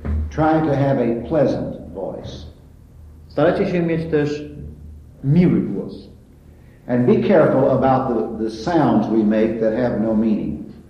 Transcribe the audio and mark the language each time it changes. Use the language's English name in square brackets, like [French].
[English] Try to have a pleasant voice. [Polish] Starajcie się mieć też miły głos. [English] And be careful about the sounds we make that have no meaning.